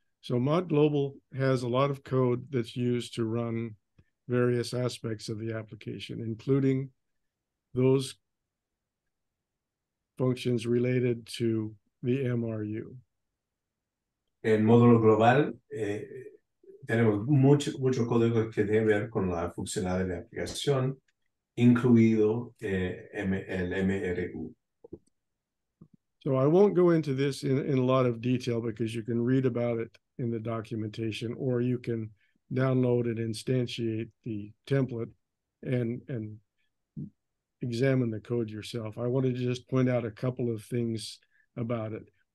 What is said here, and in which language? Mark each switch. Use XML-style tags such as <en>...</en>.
<en>So Mod Global has a lot of code that's used to run various aspects of the application, including those functions related to the MRU.</en> <es>En módulo global, tenemos mucho código que tiene que ver con la funcionalidad de la aplicación, incluido el MRU.</es> <en>So I won't go into this in a lot of detail because you can read about it in the documentation, or you can download and instantiate the template and examine the code yourself. I wanted to just point out a couple of things about it.</en>